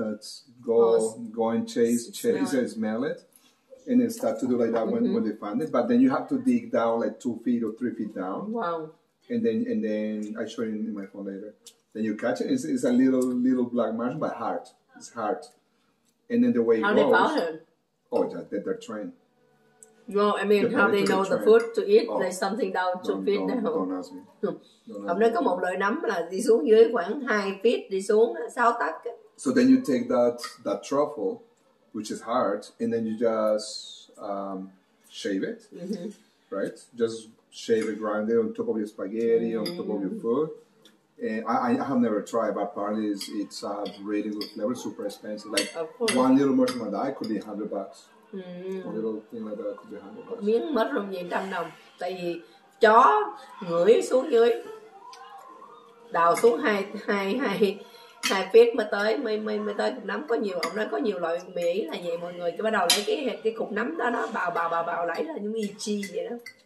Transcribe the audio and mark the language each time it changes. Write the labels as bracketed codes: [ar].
[en] That's go and chase and smell it, and then start to do like that when they find it. But then you have to dig down like 2 feet or 3 feet down. Wow! And then I show you in my phone later. Then you catch it. It's a little black mushroom, but hard. It's hard. And then the way how it goes. How they found it? Oh, yeah, they're trained. No, I mean, how they know the food to eat? Oh, there's something down 2 feet don't, down. Don't ask me. [vi] Ông nói có một lời nắm là đi xuống dưới khoảng 2 feet, đi xuống 6 tấc. [en] So then you take that truffle, which is hard, and then you just shave it, mm-hmm. right? Just shave it, grind it on top of your spaghetti, on top of your food. And I have never tried, but apparently it's a really good flavor, super expensive. Like one little mushroom like that could be $100. Mm-hmm. A little thing like that could be $100. [vi] Miếng mushroom gì trăm đồng, tại vì chó ngửi xuống dưới, đào xuống hai feet mới tới cục nấm. Có nhiều ông nói có nhiều loại Mỹ là vậy mọi người, cứ bắt đầu lấy cái cục nấm đó nó bào lấy là những y chi vậy đó.